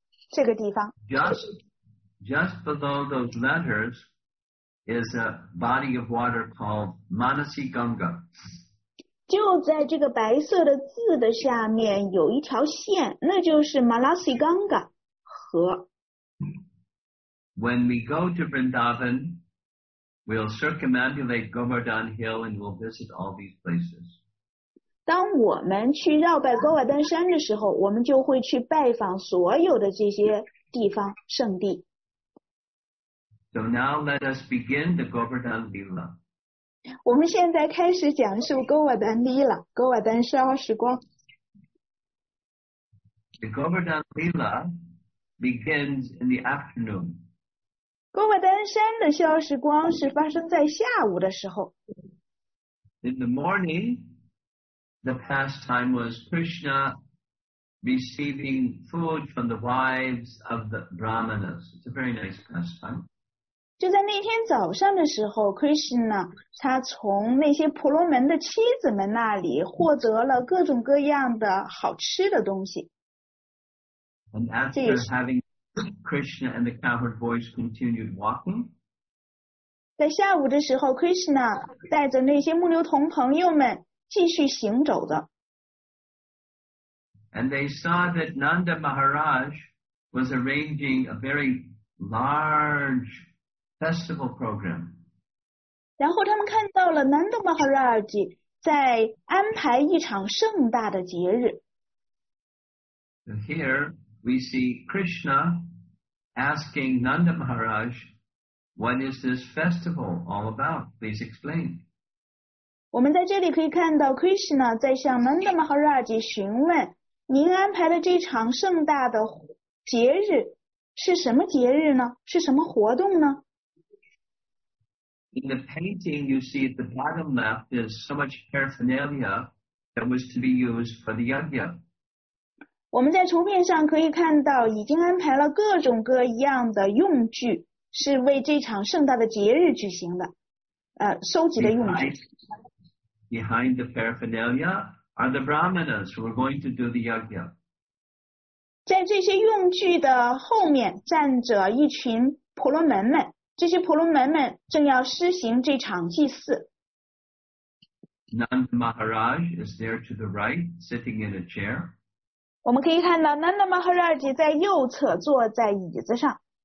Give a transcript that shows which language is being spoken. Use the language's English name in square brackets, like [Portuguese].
[Chinese] 大家往近处看，可以看到这山的中间写着Govardhan山这个白色的字，这个地方。 [English] Just below those letters is a body of water called Manasi Ganga. [Chinese] 就在这个白色的字的下面有一条线，那就是Manasi Ganga。 [English] When we go to Vrindavan, we'll circumambulate Govardhan Hill and we'll visit all these places. [Chinese] 当我们去绕拜Govardhan山的时候，我们就会去拜访所有的这些地方圣地。 [English] So now let us begin the Govardhan Lila. [Chinese] 我们现在开始讲述Govardhan Lila，Govardhan烧时光。 [English] The Govardhan Lila begins in the afternoon. [Chinese] 篝火登山的需要时光是发生在下午的时候。 [English] In the morning, the pastime was Krishna receiving food from the wives of the brahmanas. It's a very nice pastime. [Chinese] 就在那天早上的时候 ，Krishna 他从那些婆罗门的妻子们那里获得了各种各样的好吃的东西。 [English] And after having Krishna and the cowherd boys continued walking, [Chinese] 在下午的时候 ，Krishna 带着那些牧牛童朋友们继续行走的。 [English] And they saw that Nanda Maharaj was arranging a very large festival program. [Chinese] 然后他们看到了 Nanda Maharaj 在安排一场盛大的节日。 [English] Here we see Krishna asking Nanda Maharaj, what is this festival all about? Please explain. [Chinese] 我们在这里可以看到 Krishna 在向 Nanda Maharaj 询问您安排的这场盛大的节日是什么节日呢？是什么活动呢？ [English] In the painting, you see at the bottom left is so much paraphernalia that was to be used for the yajna. [Chinese] 我们在图片上可以看到已经安排了各种各样的用具是为这场盛大的节日举行的收集的用具。 [English] Behind the paraphernalia,are the brahmanas who are going to do the yajna. [Chinese] 在这些用具的后面站着一群婆罗门们，这些婆罗门们正要施行这场祭祀。 [English] Nanda Maharaj is there to the right, sitting in a chair. [Chinese] 我们可以看到 Nanda Maharaj 在右侧坐在椅子上。